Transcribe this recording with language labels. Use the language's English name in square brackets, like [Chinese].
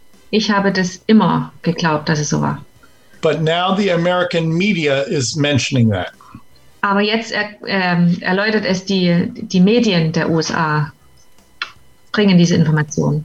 [German] Ich habe das immer geglaubt, dass es so war. [English] But now the American media is mentioning that. [German] Aber jetzt erläutert es die Medien der USA, bringen diese Informationen.